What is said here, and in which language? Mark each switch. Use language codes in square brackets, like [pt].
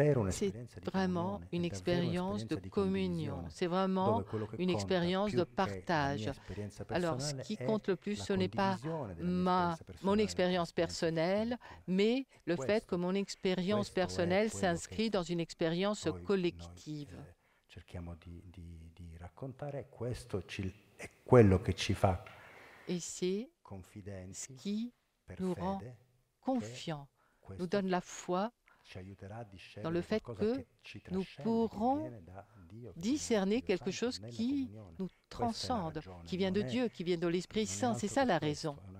[fr] C'est vraiment une expérience de communion. C'est vraiment une expérience de partage. Alors, ce qui compte le plus, ce n'est pas mon expérience personnelle, mais le fait que mon expérience personnelle s'inscrit dans une expérience collective. [it] Cerchiamo di raccontare questo è quello che ci fa. [fr] Et c'est ce qui nous rend confiants, nous donne la foi dans le fait que nous pourrons discerner quelque chose qui nous transcende, qui vient de Dieu, qui vient de l'Esprit Saint. C'est ça la raison.